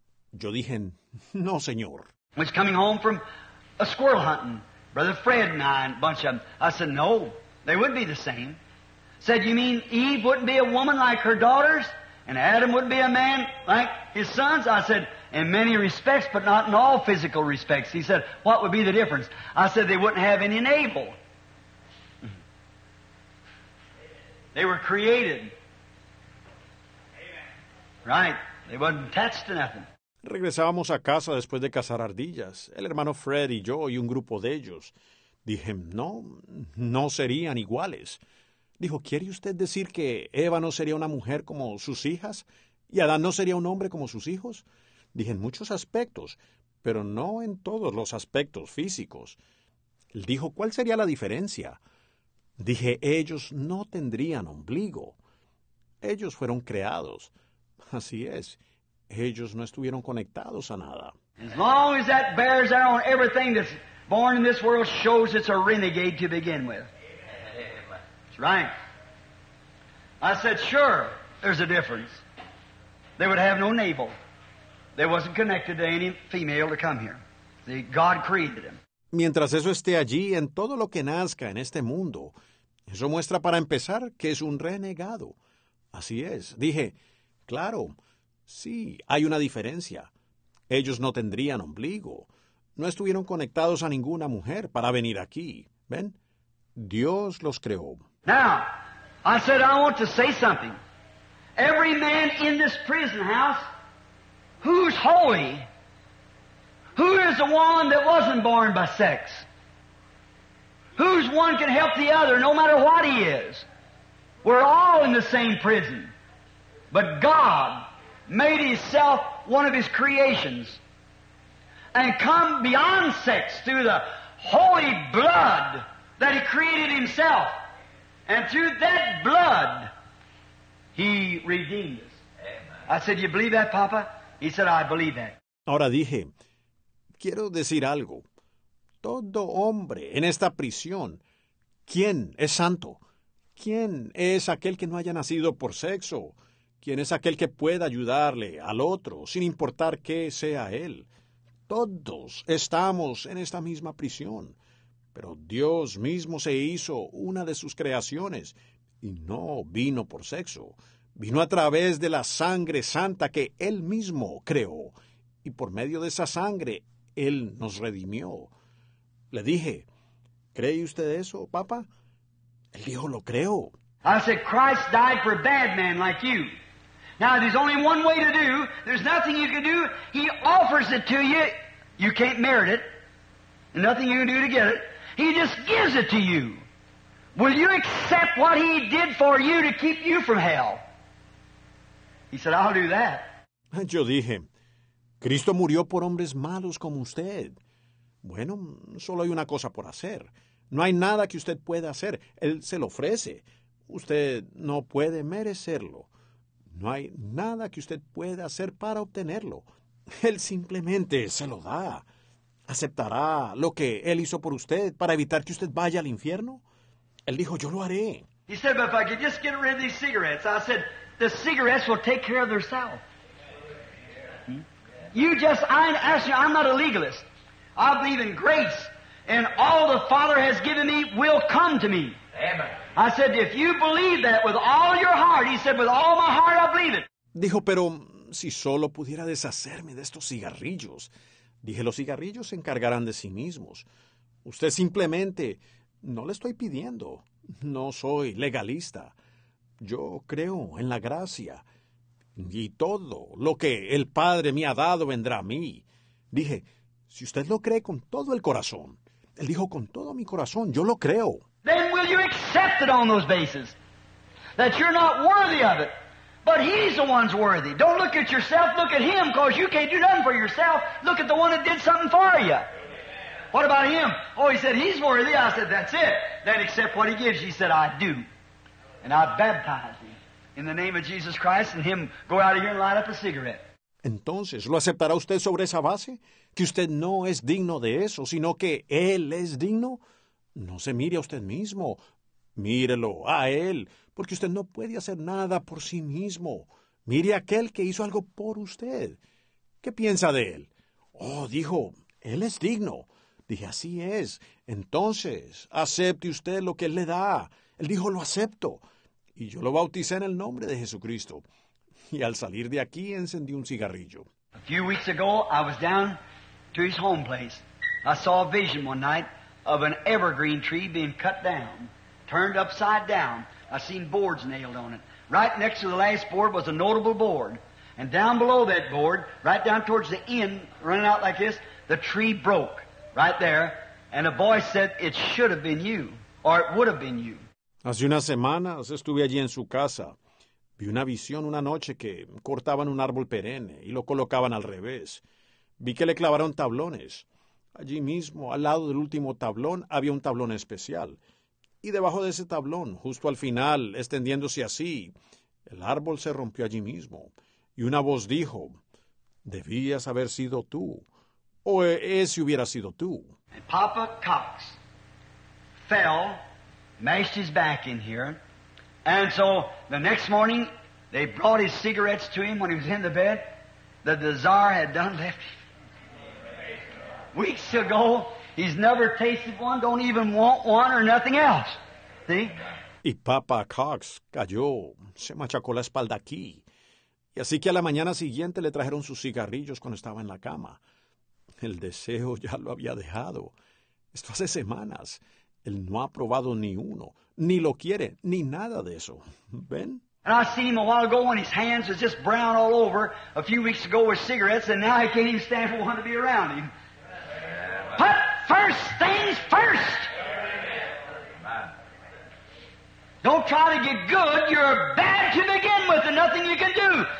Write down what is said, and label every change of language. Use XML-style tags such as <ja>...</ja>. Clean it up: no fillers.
<es>Yo dije, no, señor.</es> <en>Was coming home from a squirrel hunting, Brother Fred and I and a bunch of them. I said, no, they wouldn't be the same. Said, you mean Eve wouldn't be a woman like her daughters and Adam wouldn't be a man like his sons? I said, in many respects, but not in all physical respects. He said, what would be the difference? I said, they wouldn't have any navel. They were created. Right. They wasn't attached to nothing.</en> <es>Regresábamos a casa después de cazar ardillas, el hermano Fred y yo y un grupo de ellos. Dije, no, no serían iguales. Dijo, ¿quiere usted decir que Eva no sería una mujer como sus hijas y Adán no sería un hombre como sus hijos? Dije, en muchos aspectos, pero no en todos los aspectos físicos. Él dijo, ¿cuál sería la diferencia? Dije, ellos no tendrían ombligo. Ellos fueron creados. Así es. Ellos no estuvieron conectados a nada.</es> <en>As long as that bears there on everything that's born in this world shows it's a renegade to begin with. That's right. I said, sure, there's a difference. They would have no navel. They wasn't connected to any female to come here. See, God created them.</en> <es>Mientras eso esté allí, en todo lo que nazca en este mundo, eso muestra para empezar que es un renegado. Así es. Dije, claro, sí, hay una diferencia. Ellos no tendrían ombligo. No estuvieron conectados a ninguna mujer para venir aquí. ¿Ven? Dios los creó.</es> <en>Now, I said, I want to say something. Every man in this prison house, who's holy? Who is the one that wasn't born by sex? Whose one can help the other, no matter what he is? We're all in the same prison. But God made himself one of his creations and come beyond sex through the holy blood that he created himself. And through that blood, he redeemed us. I said, you believe that, Papa? He said, I believe that.</en> <es>Ahora dije, quiero decir algo. Todo hombre en esta prisión, ¿quién es santo? ¿Quién es aquel que no haya nacido por sexo? ¿Quién es aquel que pueda ayudarle al otro, sin importar qué sea él? Todos estamos en esta misma prisión, pero Dios mismo se hizo una de sus creaciones y no vino por sexo. Vino a través de la sangre santa que él mismo creó, y por medio de esa sangre él nos redimió. Le dije, ¿cree usted eso, Papa? Él dijo, lo creo.</es> <en>I said, Christ died for a bad man like you. Now, there's only one way to do. There's nothing you can do. He offers it to you. You can't merit it. Nothing you can do to get it. He just gives it to you. Will you accept what he did for you to keep you from hell? He said, I'll do that.</en> <es>Yo dije, Cristo murió por hombres malos como usted. Bueno, solo hay una cosa por hacer. No hay nada que usted pueda hacer. Él se lo ofrece. Usted no puede merecerlo. No hay nada que usted pueda hacer para obtenerlo. Él simplemente se lo da. ¿Aceptará lo que él hizo por usted para evitar que usted vaya al infierno? Él dijo, yo lo haré.</es> <en>He said, but if I could just get rid of these cigarettes, I said, the cigarettes will take care of themselves. I ask you, I'm not a legalist. I believe in grace, and all the Father has given me will come to me. Amen. I said, if you believe that with all your heart, he said, with all my heart, I believe it.</en> <es>Dijo, pero si solo pudiera deshacerme de estos cigarrillos. Dije, los cigarrillos se encargarán de sí mismos. Usted simplemente, no le estoy pidiendo. No soy legalista. Yo creo en la gracia. Y todo lo que el Padre me ha dado vendrá a mí. Dije, si usted lo cree con todo el corazón. Él dijo, con todo mi corazón, yo lo creo.</es> <en>Then will you accept it on those bases? That you're not worthy of it. But he's the one's worthy. Don't look at yourself, look at him, because you can't do nothing for yourself. Look at the one that did something for you. What about him? Oh, he said, he's worthy. I said, that's it. Then accept what he gives. He said, I do. And I baptize him in the name of Jesus Christ and him go out of here and light up a cigarette.</en> <es>Entonces, ¿lo aceptará usted sobre esa base? ¿Que usted no es digno de eso, sino que él es digno? No se mire a usted mismo. Mírelo a él, porque usted no puede hacer nada por sí mismo. Mire a aquel que hizo algo por usted. ¿Qué piensa de él? Oh, dijo, él es digno. Dije, así es. Entonces, acepte usted lo que él le da. Él dijo, lo acepto. Y yo lo bauticé en el nombre de Jesucristo. Y al salir de aquí, encendí un cigarrillo.</es> <en>A few weeks ago, I was down to his home place. I saw a vision one night of an evergreen tree being cut down, turned upside down. I seen boards nailed on it. Right next to the last board was a notable board. And down below that board, right down towards the end, running out like this, the tree broke right there. And a voice said, it should have been you, or it would have been you.</en> <es>Hace unas semanas estuve allí en su casa. Vi una visión una noche que cortaban un árbol perenne y lo colocaban al revés. Vi que le clavaron tablones. Allí mismo, al lado del último tablón, había un tablón especial. Y debajo de ese tablón, justo al final, extendiéndose así, el árbol se rompió allí mismo. Y una voz dijo, debías haber sido tú. O ese hubiera sido tú.</es> <en>And Papa Cox fell, mashed his back in here. And so the next morning, they brought his cigarettes to him when he was in the bed. That the czar had done left him. Weeks ago, he's never tasted one, don't even want one or nothing else. See?</en> <es>Y Papa Cox cayó, se machacó la espalda aquí. Y así que a la mañana siguiente le trajeron sus cigarrillos cuando estaba en la cama. El deseo ya lo había dejado. Esto hace semanas. Él no ha probado ni uno, ni lo quiere, ni nada de eso. ¿Ven?</es> <en>And I seen him a while ago when his hands was just brown all over, a few weeks ago with cigarettes, and now he can't even stand for one to be around him. Put first things first. Don't try to get good. You're bad to begin with, and nothing you can do.</en>